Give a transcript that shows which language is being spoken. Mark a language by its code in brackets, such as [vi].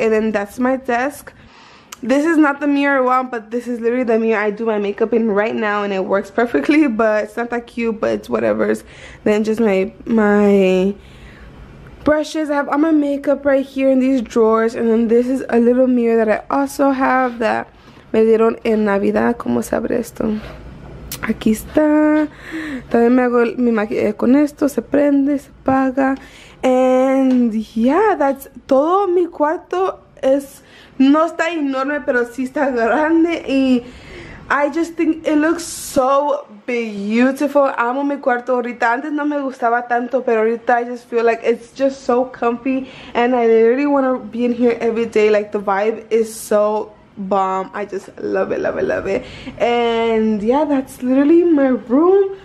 [en] And then that's my desk. This is not the mirror I want, but this is literally the mirror I do my makeup in right now, and it works perfectly, but it's not that cute, but it's whatever. Then just my brushes. I have all my makeup right here in these drawers, and then this is a little mirror that I also have that [es] me dieron en Navidad. ¿Cómo se abre esto? Aquí está. También me hago mi maquillaje con esto. Se prende, se apaga. [en] And yeah, that's [es] todo mi cuarto. Es, no está enorme, pero sí está grande. Y [en] I just think it looks so beautiful. [es] Amo mi cuarto ahorita. Antes no me gustaba tanto, pero ahorita [en] I just feel like it's just so comfy. And I literally want to be in here every day. Like, the vibe is so bomb. I just love it, love it, love it. And yeah, that's literally my room.